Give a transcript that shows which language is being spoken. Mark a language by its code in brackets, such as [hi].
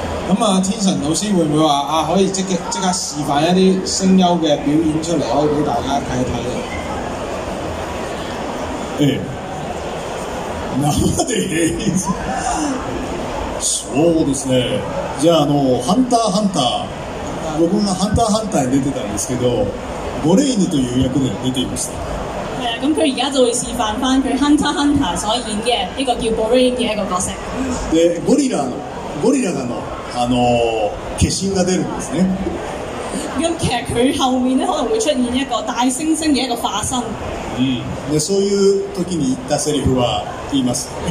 [yue] 咁啊，天神老師會唔會話啊，可以即刻示範一啲聲優嘅表演出嚟，可以俾大家睇一睇咧？ [ja] そうですね。じゃあ、ハンターハンター。僕がハンターハンターに出てたんですけど、ボレイヌという役で出ていました。 [yue] 咁佢而家就會示範翻佢 Hunter Hunter 所演嘅呢個叫 Boreen 嘅一個角色。 [ja] で、ゴリラの化身が出るんですね。 [yue] 咁其實佢後面咧可能會出現一個大猩猩嘅一個化身。 [ja] 嗯，で、そういう時に言ったセリフは言います。